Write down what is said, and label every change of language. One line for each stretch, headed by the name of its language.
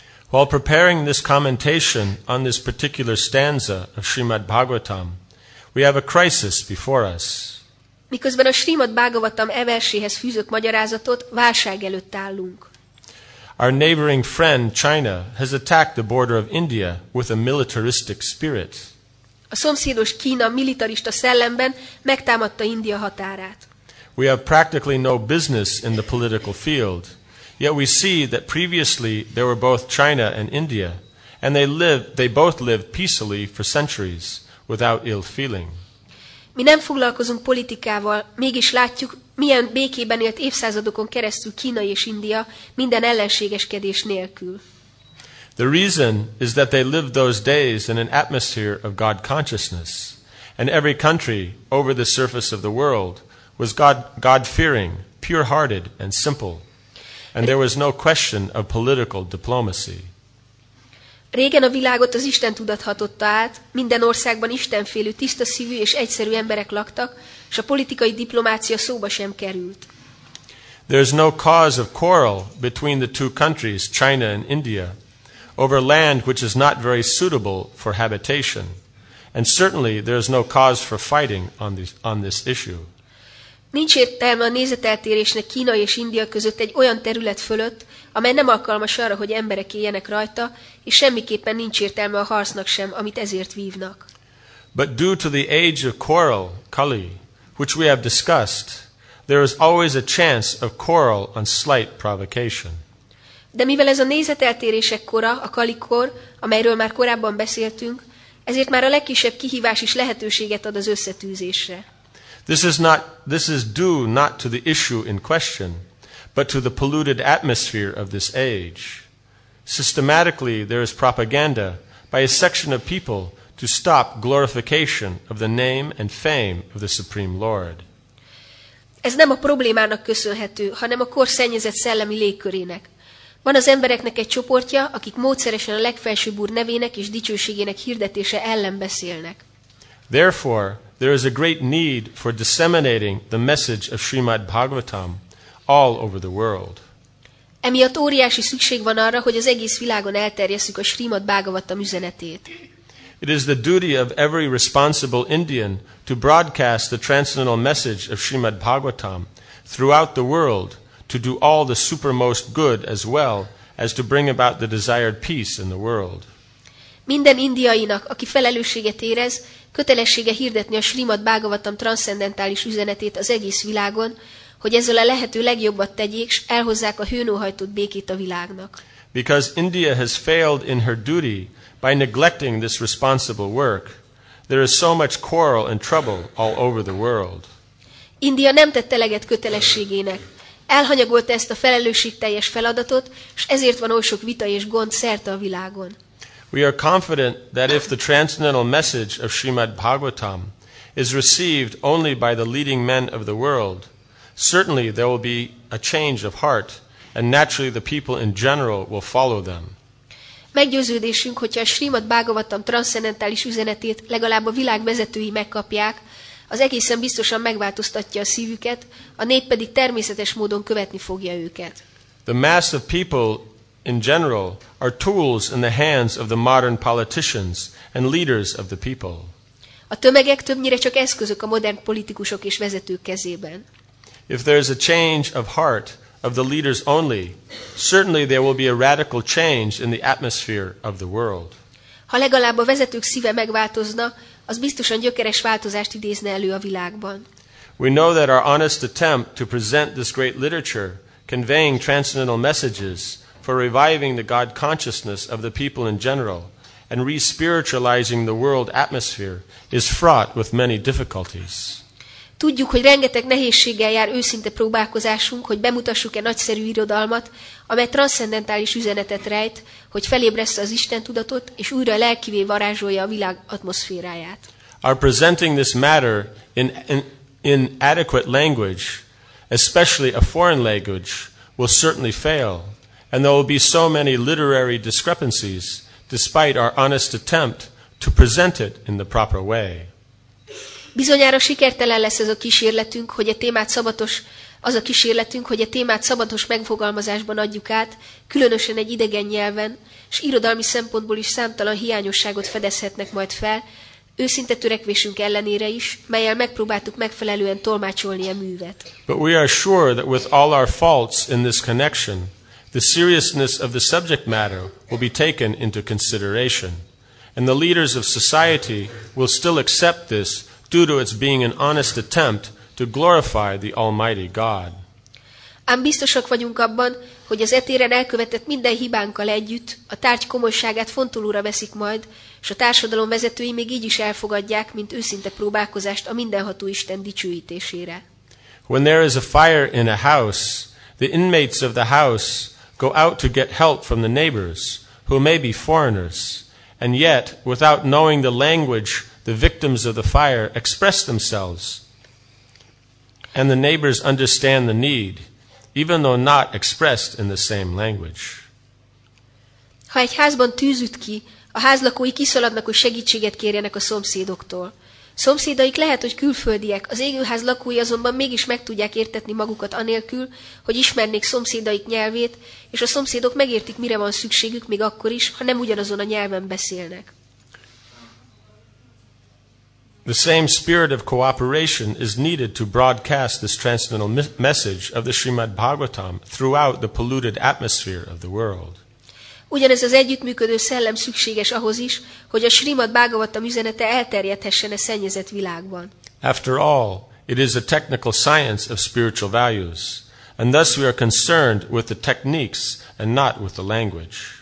English: While preparing this commentation on this particular stanza of Srimad Bhagavatam, we have a crisis before us.
Hungarian: Miközben a Srimad Bhagavatam e verséhez fűzök magyarázatot, válság előtt állunk.
English: Our neighboring friend China has attacked the border of India with a militaristic spirit.
Hungarian: A szomszédos Kína militarista szellemben megtámadta India határát.
English: We have practically no business in the political field, yet we see that previously there were both China and India, and they both lived peacefully for centuries without ill feeling.
Hungarian: Mi nem foglalkozunk politikával, mégis látjuk, milyen békében élt évszázadokon keresztül Kína és India minden ellenségeskedés nélkül.
English: The reason is that they lived those days in an atmosphere of God consciousness, and every country over the surface of the world was God-fearing, pure-hearted and simple, and there was no question of political diplomacy.
Hungarian: Régen a világot az Isten tudat hatotta át, minden országban istenfélű, tiszta szívű és egyszerű emberek laktak, és a politikai diplomácia szóba sem került.
English: There is no cause of quarrel between the two countries, China and India, over land which is not very suitable for habitation, and certainly there is no cause for fighting on this issue.
Hungarian: Nincs értelme a nézeteltérésnek Kína és India között egy olyan terület fölött, amely nem alkalmas arra, hogy emberek éljenek rajta, és semmiképpen nincs értelme a harcnak sem, amit ezért vívnak.
English: But due to the age of quarrel, Kali, which we have discussed, there is always a chance of quarrel on slight provocation.
Hungarian: De mivel ez a nézeteltérések kora, a Kali-kor, amelyről már korábban beszéltünk, ezért már a legkisebb kihívás is lehetőséget ad az összetűzésre.
English: This is due not to the issue in question, but to the polluted atmosphere of this age. Systematically, there is propaganda by a section of people to stop glorification of the name and fame of the Supreme Lord.
Hungarian: Ez nem a problémának köszönhető, hanem a kor szennyezett szellemi légkörének. Van az embereknek egy csoportja, akik módszeresen a legfelsőbb úr nevének és dicsőségének hirdetése ellen beszélnek.
English: Therefore, there is a great need for disseminating the message of Srimad Bhagavatam all over the world.
Hungarian: Emiatt óriási szükség van arra, hogy az egész világon elterjesszük a Srimad Bhagavatam üzenetét.
English: It is the duty of every responsible Indian to broadcast the transcendental message of Srimad Bhagavatam throughout the world, to do all the supermost good as well as to bring about the desired peace in the world.
Hungarian: Minden indiainak, aki felelősséget érez, kötelessége hirdetni a Srimad Bhagavatam transzcendentális üzenetét az egész világon, hogy ezzel a lehető legjobbat tegyék, s elhozzák a hőnóhajtott békét a világnak.
English: Because India has failed in her duty by neglecting this responsible work, there is so much quarrel and trouble all over the world.
Hungarian: India nem tett eleget kötelességének. Elhanyagolta ezt a felelősségteljes feladatot, s ezért van oly sok vita és gond szerte a világon.
English: We are confident that if the transcendental message of Srimad Bhagavatam is received only by the leading men of the world, certainly there will be a change of heart, and naturally the people in general will follow them.
Hungarian: Meggyőződésünk, hogyha a Srimad Bhagavatam transzcendentális üzenetét legalább a világ vezetői megkapják, az egészen biztosan megváltoztatja a szívüket, a nép pedig természetes módon követni fogja őket.
English: The mass of people in general are tools in the hands of the modern politicians and leaders of the people.
Hungarian: A tömegek többnyire csak eszközök a modern politikusok és vezetők kezében.
English: If there is a change of heart of the leaders only, certainly there will be a radical change in the atmosphere of the world.
Hungarian: Ha legalább a vezetők szíve megváltozna, az biztosan gyökeres változást idézne elő a világban.
English: We know that our honest attempt to present this great literature conveying transcendental messages for reviving the God consciousness of the people in general and re-spiritualizing the world atmosphere is fraught with many difficulties.
Hungarian: Tudjuk, hogy rengeteg nehézséggel jár őszinte próbálkozásunk, hogy bemutassuk-e nagyszerű irodalmat, amely transzcendentális üzenetet rejt, hogy felébressze az Isten tudatot, és újra lelkivé varázsolja a világ atmoszféráját.
English: Our presenting this matter in adequate language, especially a foreign language, will certainly fail, and there will be so many literary discrepancies, despite our honest attempt to present it in the proper way.
Hungarian: Bizonyára sikertelen lesz ez a kísérletünk, hogy a témát szabatos, az a kísérletünk, hogy a témát szabatos megfogalmazásban adjuk át, különösen egy idegen nyelven, s irodalmi szempontból is számtalan hiányosságot fedezhetnek majd fel, őszinte törekvésünk ellenére is, mellyel megpróbáltuk megfelelően tolmácsolni a művet.
English: But we are sure that with all our faults in this connection, the seriousness of the subject matter will be taken into consideration, and the leaders of society will still accept this due to its being an honest attempt to glorify the Almighty God.
Hungarian: Ám biztosak vagyunk abban, hogy az etéren elkövetett minden hibánkkal együtt a tárgy komolyságát fontolóra veszik majd, és a társadalom vezetői még így is elfogadják, mint őszinte próbálkozást a mindenható Isten dicsőítésére.
English: When there is a fire in a house, the inmates of the house go out to get help from the neighbors, who may be foreigners, and yet, without knowing the language, the victims of the fire express themselves and the neighbors understand the need, even though not expressed in the same language.
Hungarian: Ha egy házban tűz üt ki, a házlakói kiszaladnak, hogy segítséget kérjenek a szomszédoktól. Szomszédaik lehet, hogy külföldiek, az égőház lakói azonban mégis meg tudják értetni magukat anélkül, hogy ismernék szomszédaik nyelvét, és a szomszédok megértik, mire van szükségük még akkor is, ha nem ugyanazon a nyelven beszélnek.
English: The same spirit of cooperation is needed to broadcast this transcendental message of the Srimad Bhagavatam throughout the polluted atmosphere of the world.
Hungarian: Ugyanez az együttműködő szellem szükséges ahhoz is, hogy a Srimad Bhagavatam üzenete elterjedhessen a szennyezett világban.
English: After all, it is a technical science of spiritual values, and thus we are concerned with the techniques and not with the language.